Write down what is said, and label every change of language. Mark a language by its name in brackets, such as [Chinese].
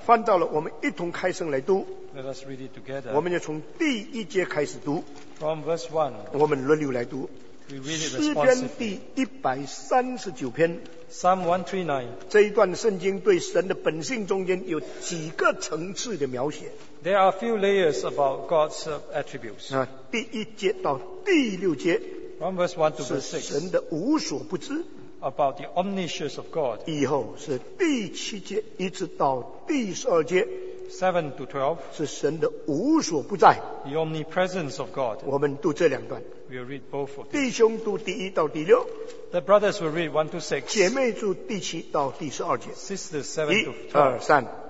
[Chinese] 翻到了，我们一同开声来读。 [English] Let us read it together. [Chinese] 我们要从第一节开始读。 [English] From verse one. [Chinese] 我们轮流来读。 [English] We read it responsively. [Chinese] 诗篇第139篇。 [English] Psalm 139. [Chinese] 这一段圣经对神的本性中间有几个层次的描写。 [English] There are a few layers about God's attributes. [Chinese] 第一节到第六节 [English] from verse 1 to verse 6, [Chinese] 是神的无所不知 [English] about the omniscience of God. [Chinese] 以后是第七节一直到第十二节 [English] 7 to 12, [Chinese] 是神的无所不在 [English] the omnipresence of God. [Chinese] 我们读这两段 [English] we'll read both of these. [Chinese] 弟兄读第一到第六 [English] the brothers will read 1 to 6, [Chinese] 姐妹读第七到第十二节 [English] sisters 7 to 12, [Chinese] 一二三